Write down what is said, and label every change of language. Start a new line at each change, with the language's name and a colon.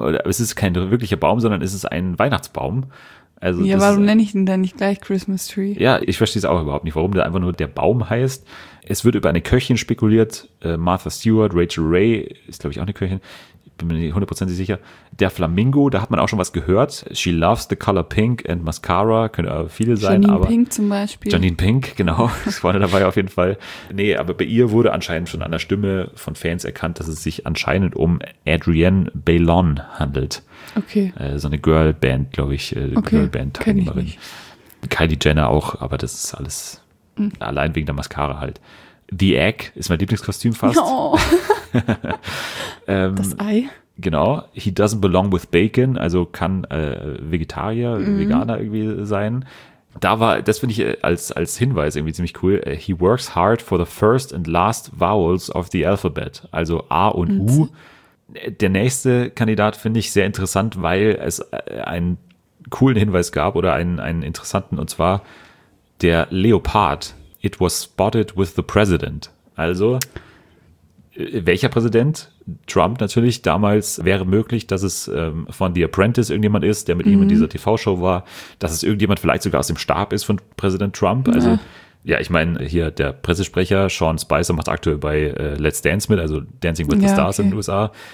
German: Es ist kein wirklicher Baum, sondern es ist ein Weihnachtsbaum. Also ja, warum nenne ich den dann nicht gleich Christmas Tree? Ja, ich verstehe es auch überhaupt nicht, warum der einfach nur der Baum heißt. Es wird über eine Köchin spekuliert. Martha Stewart, Rachel Ray ist, glaube ich, auch eine Köchin. Bin mir nicht hundertprozentig sicher. Der Flamingo, da hat man auch schon was gehört.
English: She loves the color pink and mascara.
German: Können aber viele sein. Janine aber Pink zum Beispiel. Janine Pink, genau. Das war dabei auf jeden Fall. Nee, aber bei ihr wurde anscheinend schon an der Stimme von Fans erkannt, dass es sich anscheinend um Adrienne Bailon handelt. Okay. So eine Girlband, glaube ich. Okay. Girlband-Teilnehmerin. Kylie Jenner auch, aber das ist alles allein wegen der Mascara halt. The Egg ist mein Lieblingskostüm fast. Oh. das Ei. Genau.
English: He doesn't belong with bacon,
German: also kann Vegetarier, Veganer irgendwie sein. Da war, das finde ich als Hinweis irgendwie ziemlich cool.
English: He works hard for the first and last vowels of the alphabet,
German: also A und U. Der nächste Kandidat finde ich sehr interessant, weil es einen coolen Hinweis gab oder einen interessanten, und zwar der Leopard.
English: It was spotted with the president.
German: Also, welcher Präsident? Trump natürlich. Damals wäre möglich, dass es von The Apprentice irgendjemand ist, der mit ihm in dieser TV-Show war. Dass es irgendjemand vielleicht sogar aus dem Stab ist von Präsident Trump. Also, ja, ich meine, hier der Pressesprecher Sean Spicer macht aktuell bei Let's Dance mit, also Dancing with the Stars in den USA.